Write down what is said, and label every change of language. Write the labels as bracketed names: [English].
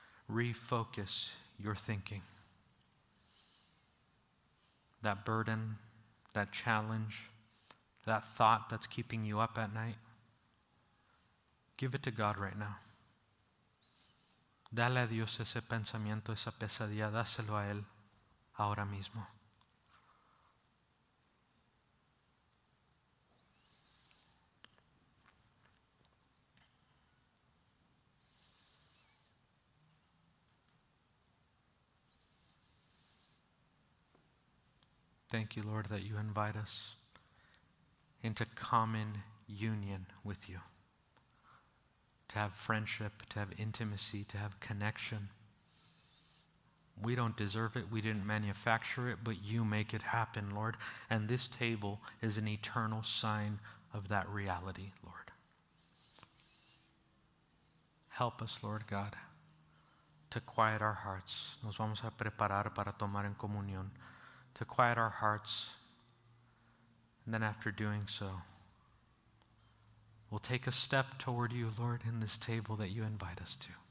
[English] Refocus your thinking. That burden, that challenge, that thought that's keeping you up at night, give it to God right now. [Spanish] Dale a Dios ese pensamiento, esa pesadilla, dáselo a Él ahora mismo. [English] Thank you, Lord, that you invite us into common union with you. To have friendship, to have intimacy, to have connection. We don't deserve it. We didn't manufacture it, but you make it happen, Lord. And this table is an eternal sign of that reality, Lord. Help us, Lord God, to quiet our hearts. [Spanish] Nos vamos a preparar para tomar en comunión. [English] To quiet our hearts, and then after doing so, we'll take a step toward you, Lord, in this table that you invite us to.